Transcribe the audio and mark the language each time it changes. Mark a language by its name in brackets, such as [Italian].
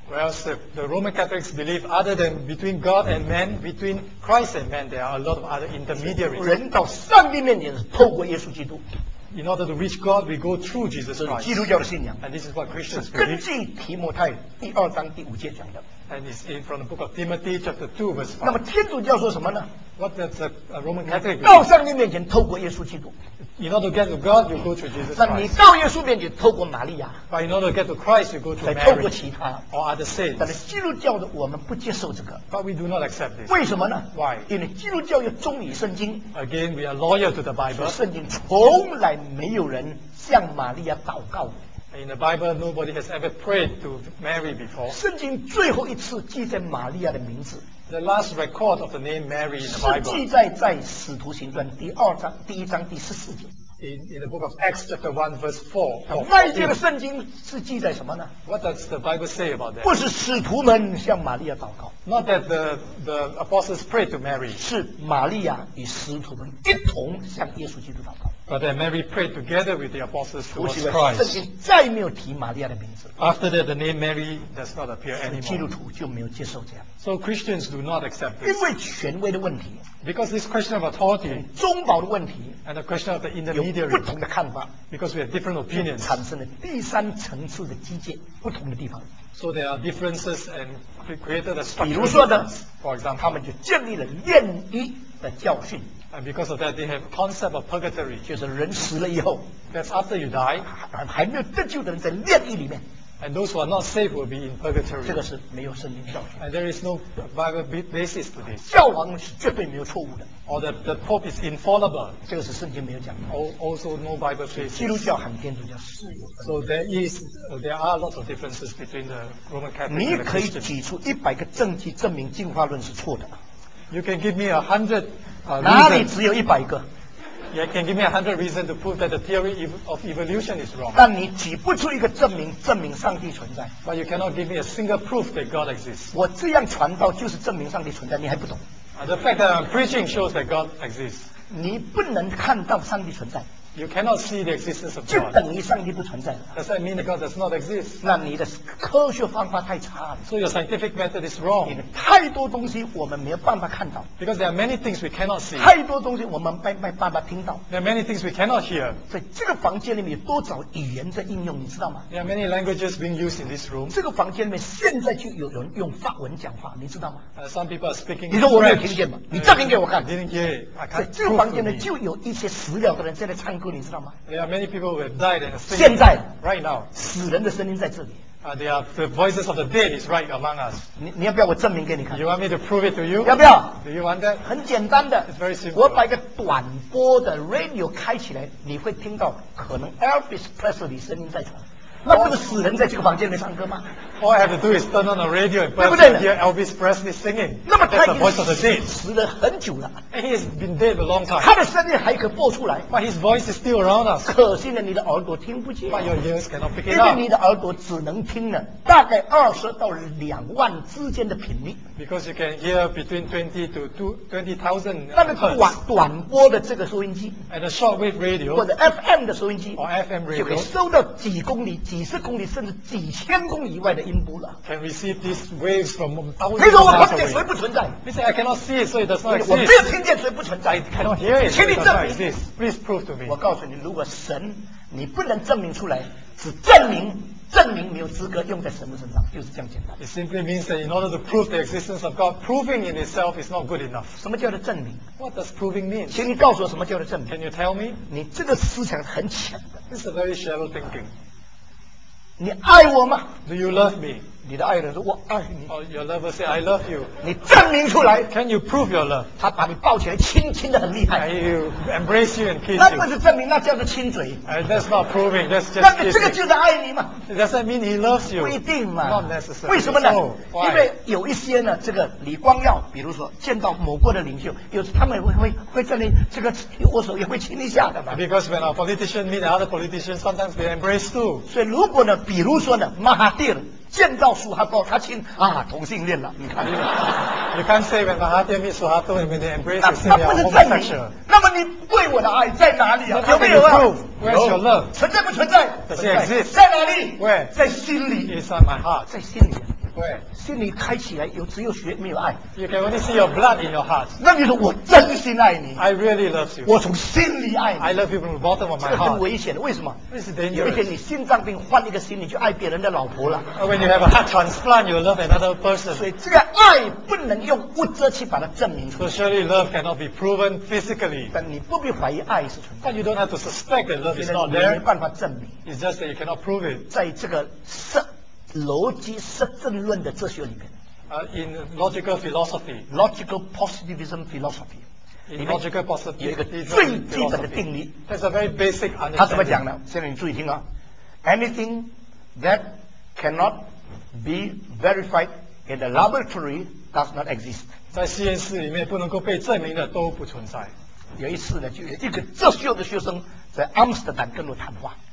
[English] Whereas the Roman Catholics believe, other than between God and man, between Christ and man, there are a lot of other intermediaries. [Chinese] 人到上帝面前是透过耶稣基督。 [English] In order to reach God, we go through Jesus Christ. [Chinese] 基督教的信仰。 [English] And this is what Christians [Chinese] 是根据提摩太第二章第五节讲的。 [English] And it's in from the book of Timothy, chapter 2, verse 5. [Chinese] 那么天主教说什么呢？ [English] What does the Roman Catholic [Chinese] 到上帝面前透过耶稣基督。 [English] In order to get to God, you go to Jesus Christ. [Chinese] 那你到耶稣面前透过玛利亚。 [English] But in order to get to Christ, you go to Mary. [Chinese] 再透过其他。 [English] Or other saints. [Chinese] 但是基督教的我们不接受这个。 [English] But we do not accept this. [Chinese] 为什么呢 [English] ？Why? [Chinese] 因为基督教要忠于圣经。 [English] Again, we are loyal to the Bible. [Chinese] 圣经从来没有人向玛利亚祷告。 [English] In the Bible, nobody has ever prayed to Mary before. [Chinese] 圣经最后一次记载玛利亚的名字。 [English] The last record of the name Mary in the Bible. [Chinese] 是记载在《使徒行传》第二章第一章第十四节。 [English] In the book of Acts, chapter 1, verse 4. [Chinese] 外界的圣经是记载什么呢 [English] ？What does the Bible say about that? [Chinese] 不是使徒们向玛利亚祷告。 [English] Not that the apostles prayed to Mary. [Chinese] 是玛利亚与使徒们一同向耶稣基督祷告。 [English] But then Mary prayed together with the apostles towards Christ. [Chinese] 除此之外，圣经再没有提玛利亚的名字。 [English] After that, the name Mary does not appear anymore. [Chinese] 基督徒就没有接受这样。 [English] So Christians do not accept this. [Chinese] 因为权威的问题。 [English] Because this question of authority. [Chinese] 宗保的问题。 [English] And the question of the intermediary. [Chinese] 有不同的看法。 [English] Because we have different opinions. [Chinese] 产生了第三层次的基建，不同的地方。 [English] So there are differences and created a structure. [Chinese] 比如说呢 [English] ，For example, [Chinese] 他们就建立了炼狱的教训。 [English] And because of that, they have concept of purgatory. [Chinese] 就是人死了以后 [English] ，That's after you die. [Chinese] 还没有得救的人在炼狱里面。 [English] And those who are not saved will be in purgatory. [Chinese] 这个是没有圣经教训。 [English] And there is no Bible basis for this. [Chinese] 教皇是绝对没有错误的。 [English] Or the Pope is infallible. [Chinese] 这个是圣经没有讲的。 [English] Also no Bible basis. [Chinese] 基督教和天主教是有。 [English] So there are lots of differences between the Roman Catholic and the Christian. [Chinese] 你可以举出一百个证据证明进化论是错的。 [English] You can give me 100. [Chinese] 哪里只有一百个？ [English] You can give me 100 reasons to prove that the theory of evolution is wrong. [Chinese] 但你举不出一个证明，证明上帝存在。 [English] But you cannot give me a single proof that God exists. [Chinese] 我这样传道就是证明上帝存在，你还不懂？ [English] The fact that I'm preaching shows that God exists. [Chinese] 你不能看到上帝存在。 [English] You cannot see the existence of God. [Chinese] 就等于上帝不存在了。 [English] Does that mean that God does not exist? [Chinese] 那你的科学方法太差了。 [English] So your scientific method is wrong. [Chinese] 因为太多东西我们没有办法看到。 [English] Because there are many things we cannot see. [Chinese] 太多东西我们没办法听到。 [English] There are many things we cannot hear. [Chinese] 所以这个房间里面有多少语言在应用，你知道吗？ [English] There are many languages being used in this room. [Chinese] 这个房间里面现在就有人用法文讲话，你知道吗？ [English] Some people are speaking. [Chinese] 你说我没有听见吗？你证明给我看。 [English] Didn't hear. I can't prove. [Chinese] 这个房间里就有一些死掉的人在唱歌。你知道吗？ [English] There are many people who have died and are singing. [Chinese] 现在 [English] ，right now， [Chinese] 死人的声音在这里。 [English] They are the voices of the dead is right among us. [Chinese] 你要不要我证明给你看 [English] ？You want me to prove it to you？ [Chinese] 要不要 [English] ？Do you want that？ [Chinese] 很简单的 [English] ，It's very simple. [Chinese] 我把一个短波的 radio 开起来，你会听到可能 Elvis Presley 声音在传。那不是死人在这个房间里唱歌吗 [English] ？All I have to do is turn on the radio and put on hear Elvis Presley singing. [Chinese] 那么他已经 [English] voice of the dead. [Chinese] 死了很久了。 [English] And he has been dead a long time. [Chinese] 他的声音还可播出来。 [English] But his voice is still around us. [Chinese] 可惜呢，你的耳朵听不见。 [English] But your ears cannot pick it up. [Chinese] 因为你的耳朵只能听呢，大概20到20,000之间的频率。 [English] Because you can hear between 20 to 20,000. [Chinese] 那个短波的这个收音机。 [English] And a shortwave radio. [Chinese] 或者 FM 的收音机。 [English] Or FM radio. [Chinese] 就可以收到几公里几。几十公里甚至几千公里以外的音波了。 [English] Can receive these waves from thousands of miles away. [Chinese] 你说我看见谁不存在 [English] ？He said I cannot see it, so it does not exist. [Chinese] 我没有听见谁不存在。 [English] I cannot hear it. [Chinese] 请你证明。 [English] Please prove to me. [Chinese] 我告诉你，如果神你不能证明出来，只证明没有资格用在神的身上，就是这样简单。 [English] It simply means that in order to prove the existence of God, proving in itself is not good enough. [Chinese] 什么叫做证明 [English] ？What does proving mean? [Chinese] 请你告诉我什么叫做证明 [English] ？Can you tell me? [Chinese] 你这个思想很浅的。 [English] This is a very shallow thinking. [Chinese] 你爱我吗 [English] ？Do you love me？ [Chinese] 你的爱人说：“我爱你。 [English] ”Oh, your lover say I love you。 [Chinese] 你证明出来 [English] ？Can you prove your love？ [Chinese] 他把你抱起来，亲的很厉害。 [English] I embrace you and kiss you。 [Chinese] 那不是证明，那叫做亲嘴。 [English] That's not proving. That's just kissing. [Chinese] 那这个就是爱你嘛 [English] ？Does that mean he loves you？ [Chinese] 不一定嘛。 [English] Not necessary. [Chinese] 为什么呢？ [English] So, [Chinese] 因为有一些呢，这个李光耀，比如说见到某国的领袖，有时他们会在那这个握手，也会亲一下的嘛。 [English] Because when our politician meet other politicians, sometimes they embrace too. [Chinese] 所以如果呢，比如说呢，马哈蒂尔。见到苏哈多，他亲啊，同性恋了。你看 [English] ，You can't say when Mahathir meets Suharto, he may embrace the same homosexual. [Chinese] 那么你对我的爱在哪里啊？有没有啊 [English] ？Where's your love？ [Chinese] 存在不存在 [English] ？Does it exist？ [Chinese] 在哪里 [English] ？Where？ [Chinese] 在心里。 [English] It's on my heart。 [Chinese] 在心里。 [English] Where？ [Chinese] 心里开起来有只有血没有爱。 [English] You can only see your blood in your heart。 [Chinese] 那你说我真心爱你 [English] ？I really love you。 [Chinese] 我从心里爱你。 [English] I love you from the bottom of my heart。 [Chinese] 这个很危险的，为什么 [English] ？This is dangerous。 [Chinese] 有一天你心脏病换一个心，你就爱别人的老婆了。 [English] When you have a heart transplant, you love another person。 [Chinese] 所以这个爱不能用物质去把它证明出来。 [English] So surely love cannot be proven physically。 [Chinese] 但你不必怀疑爱是存在。 [English] But you don't have to suspect that love is not there。 [Chinese] 没办法证明。 [English] It's just that you cannot prove it。 [Chinese] 在这个逻辑实证论的哲学里面 [English] in logical philosophy, logical positivism philosophy, logical positivism, [Chinese] 有一个最基本的定理 [English] that's a very basic understanding. [Chinese] 他怎么讲呢？现在你注意听啊 [English] anything that cannot be verified in the laboratory does not exist. [Chinese] 在实验室里面不能够被证明的都不存在。有一次呢，就有一个哲学的学生在阿姆斯特丹跟我谈话。